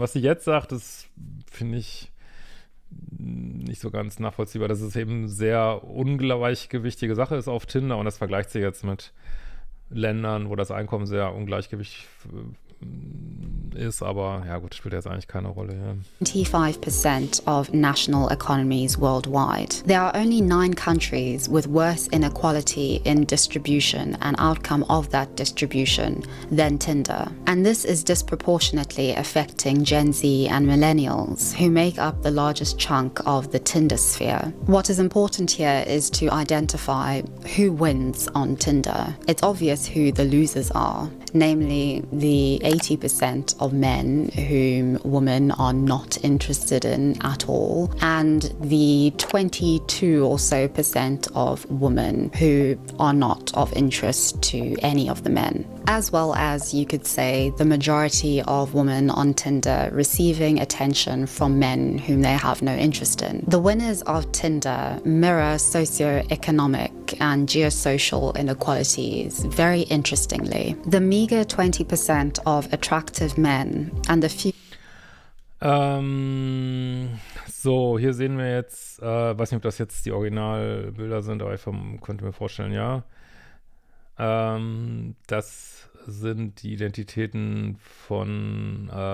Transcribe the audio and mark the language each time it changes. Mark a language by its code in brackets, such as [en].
[de] Was sie jetzt sagt, das finde ich nicht so ganz nachvollziehbar, dass es eben sehr ungleichgewichtige Sache ist auf Tinder und das vergleicht sie jetzt mit Ländern, wo das Einkommen sehr ungleichgewichtig ist, aber ja gut, spielt jetzt eigentlich keine Rolle. Ja. [en] 25% of national economies worldwide. There are only 9 countries with worse inequality in distribution and outcome of that distribution than Tinder. And this is disproportionately affecting Gen Z and millennials, who make up the largest chunk of the Tinder sphere. What is important here is to identify who wins on Tinder. It's obvious who the losers are. Namely, the 80% of men whom women are not interested in at all, and the 22% of women who are not of interest to any of the men. As well as, you could say, the majority of women on Tinder receiving attention from men whom they have no interest in. The winners of Tinder mirror socioeconomic and geosocial inequalities very interestingly. The meager 20% of attractive men and the few... [de] So, hier sehen wir jetzt, weiß nicht, ob das jetzt die Originalbilder sind, aber ich könnte mir vorstellen, ja. Das sind die Identitäten von